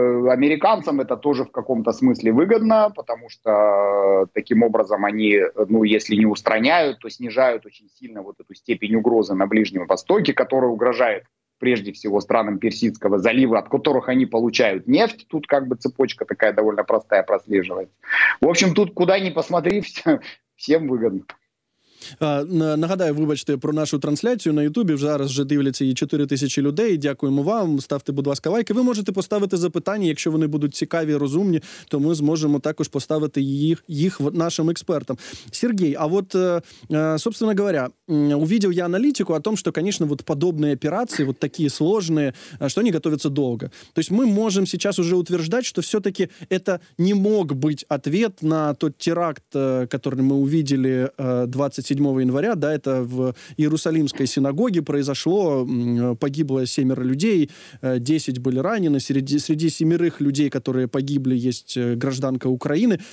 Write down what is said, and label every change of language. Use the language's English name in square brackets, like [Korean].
[Russian] Американцам это тоже в каком-то смысле выгодно, потому что таким образом они, ну, если не устраняют, то снижают очень сильно вот эту степень угрозы на Ближнем Востоке, которая угрожает прежде всего странам Персидского залива, от которых они получают нефть. Тут как бы цепочка такая довольно простая прослеживается. В общем, тут куда ни посмотри, всем выгодно. [Ukrainian] Нагадаю, вибачте, про нашу трансляцію на Ютубі. Зараз вже дивляться її 4 тисячі людей. Дякуємо вам. Ставте, будь ласка, лайки. Ви можете поставити запитання, якщо вони будуть цікаві, розумні, то ми зможемо також поставити їх нашим експертам. Сергій, а от, [Russian] собственно говоря, увидел я [Ukrainian] аналітику о том, що, звісно, вот подобні операції, вот такі сложні, що вони готуються довго. Тобто ми можемо зараз уже утверждать, що все-таки це не мог бути [Russian] ответ на тот теракт, который мы увидели 27 января, да, это в Иерусалимской синагоге произошло, погибло 7 людей, 10 были ранены, среди 7 людей, которые погибли, есть гражданка Украины.